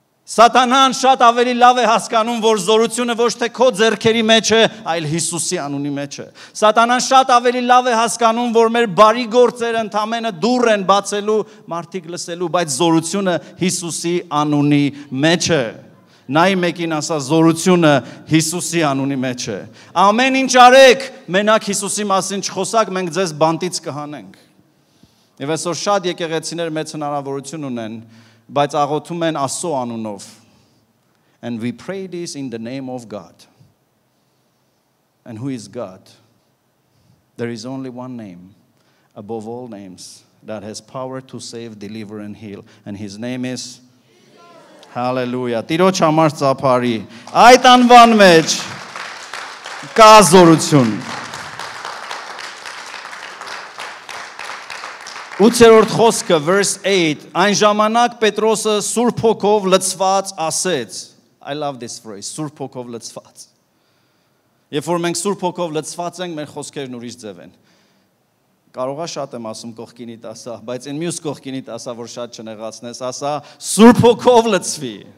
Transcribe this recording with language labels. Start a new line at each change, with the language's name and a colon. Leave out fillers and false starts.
Armenian: Սատանան շատ ավելի լավ է հասկանում, որ զորությունը ոչ թե քո ձեռքերի մեջ է, այլ Հիսուսի անունի մեջ է։ Սատանան շատ ավելի լավ է հասկանում, որ մեր բարի գործերը ընդամենը դուր են բացելու, մարդիկ լսելու, բայց զորությունը Հիսուսի անունի մեջ է։ Նայ մեկին ասա, զորությունը Հիսուսի անունի մեջ է։ Ամեն ինչ արեք, մենակ Հիսուսի մասին չխոսակ, մենք ձեզ բանտից կհանենք։ Եվ այսօր շատ եկեղեցիներ մեծ հնարավորություն ունեն, բայց աղոթում են Աստծո անունով.
English: And we pray this in the name of God. And who is God? There is only one name above all names that has power to save, deliver and heal, and his name is Jesus. Hallelujah.
Armenian: Տիրոջ համար ծափարի։ Այդ անվան մեջ կա զորություն։ 8-րդ խոսքը
English: verse 8
Armenian: այն ժամանակ Պետրոսը Սուրբ Հոգով լցված ասեց
English: I love this phrase
Armenian: Սուրբ Հոգով լցված Երբ որ մենք Սուրբ Հոգով լցված ենք մեր խոսքերն ուրիշ ձև են Կարողա շատ եմ ասում կողքինիդ ասա բայց այն մյուս կողքինիդ ասա որ շատ չնեղացնես ասա Սուրբ Հոգով լցվի